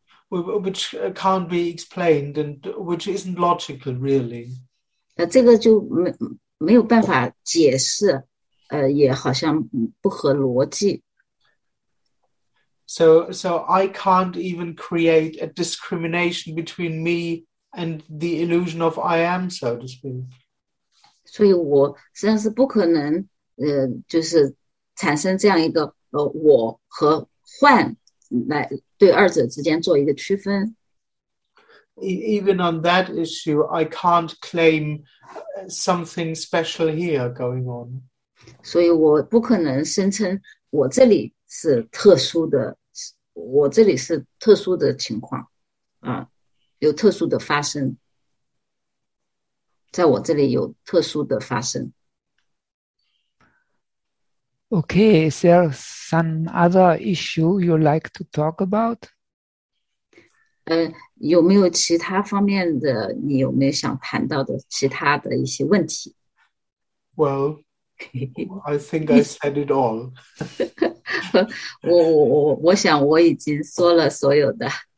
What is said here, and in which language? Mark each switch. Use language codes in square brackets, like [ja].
[en] ，which can't be explained and which isn't logical really. [zh] 这个就没有办法解释，也好像不合逻辑。 [en] So I can't even create a discrimination between me and the illusion of I am, so to speak. [zh] 所以我实际上是不可能，就是产生这样一个，我和幻来对二者之间做一个区分。 [en] Even on that issue, I can't claim something special here going on. [zh] 所以我不可能声称我这里是特殊的，我这里是特殊的情况，有特殊的发生，在我这里有特殊的发生。 [en] Okay, is there some other issue you'd like to talk about? [zh] 有没有其他方面的你有没有想谈到的其他的一些问题 [en] ？Well, I think I said it all. [zh] 我想我已经说了所有的。